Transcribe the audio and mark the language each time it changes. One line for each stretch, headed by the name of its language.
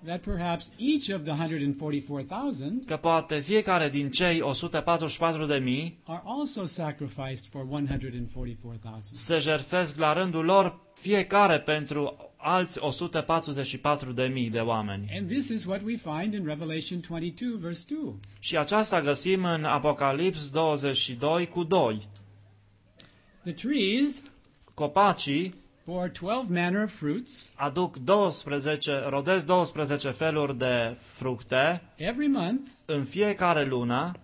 English: that perhaps each of the 144,000
Romanian: că poate fiecare din cei 144.000
English: are also sacrificed for 144,000.
Romanian: Se jertfesc la rândul lor fiecare pentru alți 144.000 de oameni.
English: And this is what we find in Revelation 22 verse 2.
Romanian: Și aceasta găsim în Apocalips 22:2.
English: The trees,
Romanian: copacii,
English: bore 12 manner of fruits.
Romanian: Aduc 12, rodesc 12 feluri de fructe.
English: Every month,
Romanian: în fiecare lună,